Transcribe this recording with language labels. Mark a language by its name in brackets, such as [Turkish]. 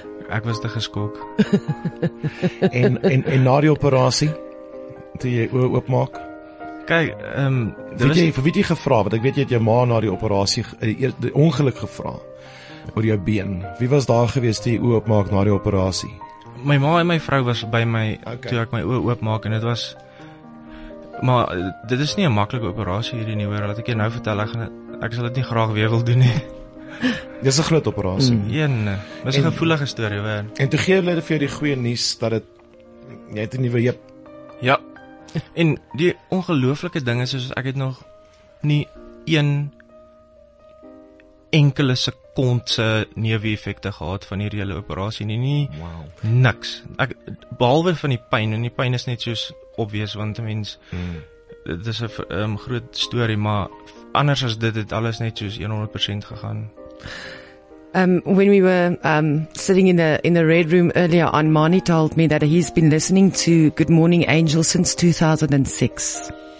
[Afrikaans] Ek was te geskok. en na die operasie, toe jy oë oopmaak? Kyk, vir wie het jy gevra? Want ek weet jy het jou ma na die operasie, die ongeluk gevra, oor jou been. Wie was daar gewees toe jy oë oopmaak na die operasie? My ma en my vrou was by my, okay. Toe ek my oë oopmaak, en het was, maar dit is nie 'n maklike operasie hierdie nie, hoor, laat ek jy nou vertel, ek sal dit nie graag weer wil doen nie. Dit is 'n groot operasie. Dit is 'n gevoelige storie, hoor. En toe gee hulle vir jou die goeie nuus dat dit jy het 'n nuwe heup. Ja. En die ongelooflike ding is ek het nog nie een enkele sekondse neeweffekte gehad van hierdie hele operasie nie. Wow. Niks. Ek behalwe van die pyn en die pyn is net soos obvious want 'n mens dit is 'n groot storie, maar anders as dit het alles net soos 100% gegaan. [English] When we were sitting in the red room earlier on, Marnie told me that he's been listening to Good Morning Angel since 2006.